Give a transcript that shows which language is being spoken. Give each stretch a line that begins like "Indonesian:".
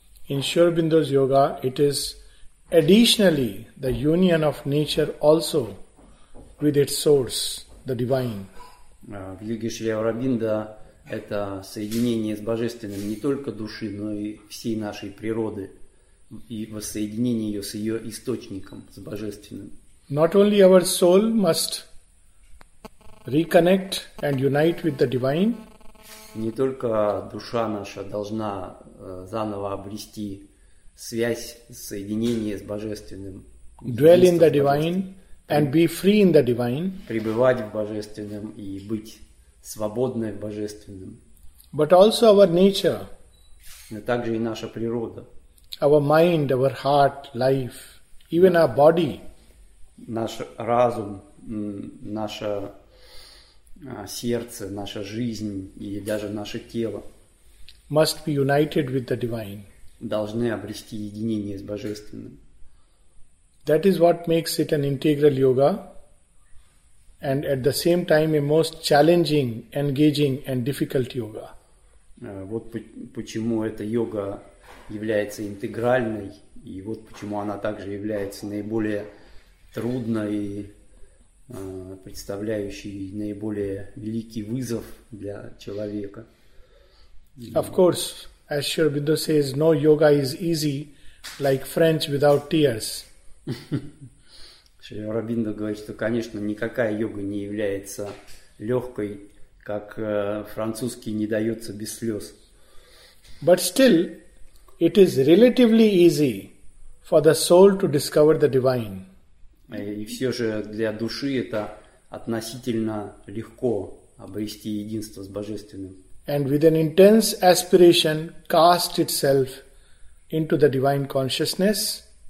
English: In Sri Aurobindo's yoga, it is additionally the union of nature also with its source, the divine.
Russian: В йоге Шри Аурабиндо это соединение с божественным не только души, но и всей нашей природы, и воссоединение ее с ее источником, с божественным.
English: Not only our soul must reconnect and unite with the divine.
Russian: Не только душа наша должна заново обрести связь, соединение с божественным.
English: dwell in the divine and be free in the divine.
Russian: Пребывать в божественном и быть свободным в божественном.
English: But also our nature.
Russian: Но также и наша природа.
English: Our mind, our heart, life, even our body.
Russian: Наш разум, наше сердце, наша жизнь и даже наше тело.
English: Must be united with the divine.
Russian: Должны обрести единение с божественным.
English: That is what makes it an integral yoga and at the same time a most challenging, engaging and difficult yoga.
Russian: Вот почему эта йога является интегральной и вот почему она также является наиболее трудной, представляющей наиболее великий вызов для человека.
English: Of course, as Sri Aurobindo says, no yoga is easy, like French without tears.
Russian: Шри Аурабиндо говорит, что, конечно, никакая йога не является легкой, как французский не дается без слез.
English: But still, it is relatively easy for the soul to discover the divine.
Russian: И все же для души это относительно легко обрести единство с божественным.
English: And with an intense aspiration, cast itself into the divine consciousness.